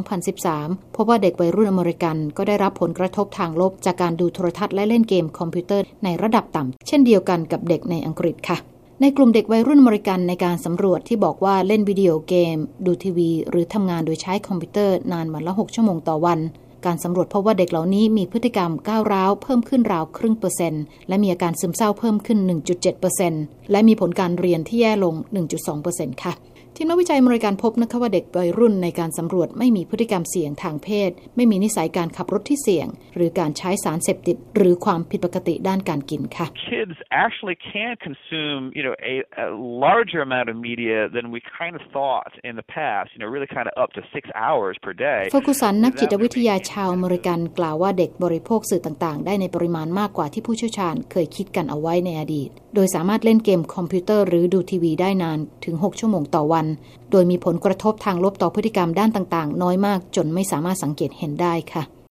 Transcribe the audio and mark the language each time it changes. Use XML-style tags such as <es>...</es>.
<th>2013พบว่าเด็กวัยรุ่นอเมริกันก็ได้รับผลกระทบทางลบจากการดูโทรทัศน์และเล่นเกมคอมพิวเตอร์ในระดับต่ำเช่นเดียวกันกับเด็กในอังกฤษค่ะในกลุ่มเด็กวัยรุ่นอเมริกันในการสำรวจที่บอกว่าเล่นวิดีโอเกมดูทีวีหรือทำงานโดยใช้คอมพิวเตอร์นานวันละ6ชั่วโมงต่อวันการสำรวจพบว่าเด็กเหล่านี้มีพฤติกรรมก้าวร้าวเพิ่มขึ้นราวครึ่งเปอร์เซ็นต์และมีอาการซึมเศร้าเพิ่มขึ้น 1.7% และมีผลการเรียนที่แย่ลง 1.2% ค่ะทีมนักวิจัยอเมริกันพบนะคะว่าเด็กวัยรุ่นในการสำรวจไม่มีพฤติกรรมเสี่ยงทางเพศไม่มีนิสัยการขับรถที่เสี่ยงหรือการใช้สารเสพติดหรือความผิดปกติด้านการกินค่ะ</th> <en>Kids actually can consume you know a larger amount of media than we kind of thought in the past you know really kind of up to 6 hours per day</en> <th>ฟอกุสันนักจิตวิทยาชาวอเมริกันกล่าวว่าเด็กบริโภคสื่อต่างๆได้ในปริมาณมากกว่าที่ผู้เชี่ยวชาญเคยคิดกันเอาไว้ในอดีตโดยสามารถเล่นเกมคอมพิวเตอร์หรือดูทีวีได้นานถึง6ชั่วโมงต่อวันโดยมีผลกระทบทางลบต่อพฤติกรรมด้านต่างๆน้อยมากจนไม่สามารถสังเกตเห็นได้ค่ะ</th>